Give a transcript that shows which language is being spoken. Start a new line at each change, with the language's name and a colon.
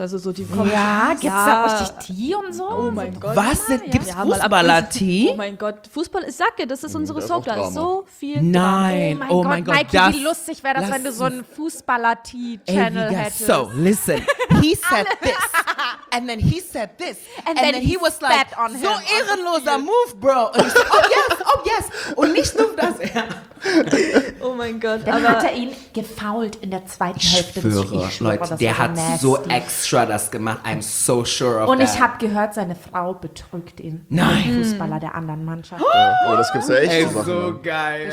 German: Also so die kommen. Ja, gibt's da richtig Tee und so? Oh mein Gott. Was? Gibt's Fußballer-Tee? Oh mein Gott. Fußball, ich sag dir, das ist unsere Soap. Da ist so viel Drama. Nein. Oh mein Gott. Mikey, wie lustig wäre das, wenn du so einen Fußballer-Tee-Channel hättest.
English: So, listen. He said this. And then he said this. And then he was like,
German: so ehrenloser Move, Bro. Und ich so,
English: oh yes, oh yes.
German: Und nicht nur das. Oh mein Gott. Dann hat er ihn gefoult in der zweiten Hälfte. Ich schwöre, Leute, der hat so extra das gemacht.
English: I'm so sure of that.
German: Und ich habe gehört, seine Frau betrügt ihn. Nein. Fußballer der anderen Mannschaft. Oh, das gibt's ja echt. Ey, so geil.